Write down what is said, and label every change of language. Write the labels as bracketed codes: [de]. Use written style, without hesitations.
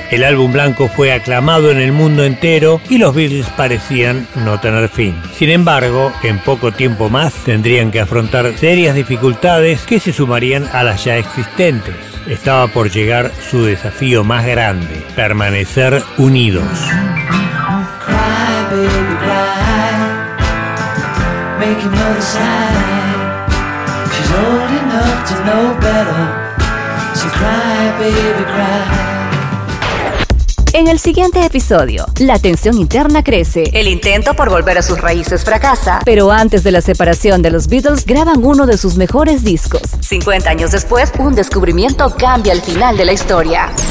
[es] El álbum blanco fue aclamado en el mundo entero y los Beatles parecían no tener fin. Sin embargo, en poco tiempo más tendrían que afrontar serias dificultades que se sumarían a las ya existentes. Estaba por llegar su desafío más grande: permanecer unidos. [en] Cry, baby, cry. Make another sign. She's old enough to know better. So cry, baby, cry. [es] En el siguiente episodio, la tensión interna crece. El intento por volver a sus raíces fracasa. Pero antes de la separación de los Beatles, graban uno de sus mejores discos. 50 años después, un descubrimiento cambia el final de la historia.